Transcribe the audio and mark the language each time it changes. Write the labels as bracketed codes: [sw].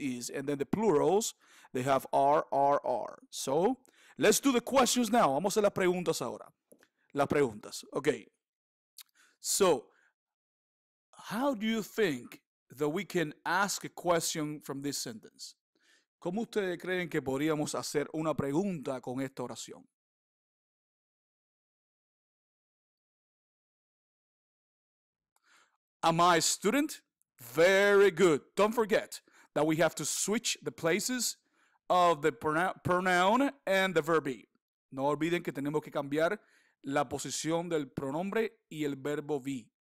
[en] And then the plurals, they have are. So, let's do the questions now. [es] Vamos a hacer las preguntas ahora. Las preguntas. Okay. [en] So, how do you think that we can ask a question from this sentence? [es] ¿Cómo ustedes creen que podríamos hacer una pregunta con esta oración? [en] Am I a student? Very good. Don't forget that we have to switch the places of the pronoun and the verb be. [es] No olviden que tenemos que cambiar la posición del pronombre y el verbo be.